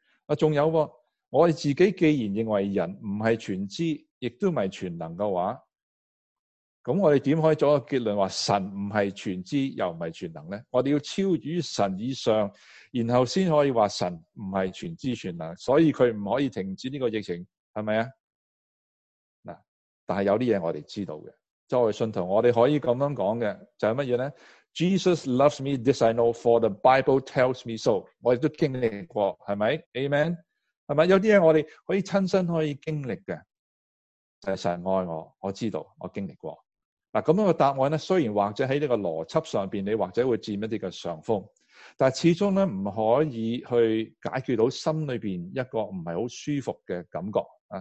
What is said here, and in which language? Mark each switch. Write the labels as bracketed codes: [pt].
[zh] 还有，我们自己既然认为人不是全知亦都不是全能的话，那我们怎可以做个结论说神不是全知又不是全能呢？我们要超于神以上，然后才可以说神不是全知全能，所以他不可以停止这个疫情，是不是？但是有些事我们知道的，作为信徒我们可以这样讲的，就是什么呢？ [en] Jesus loves me, this I know, for the Bible tells me so. [zh] 我们都经历过，是不是？Amen? 是不是？有些事我们可以亲身可以经历的，就是神爱我，我知道，我经历过。那这样的答案呢，虽然或者在这个逻辑上面你或者会占一些的上风，但始终呢不可以去解决到心里面一个不是很舒服的感觉。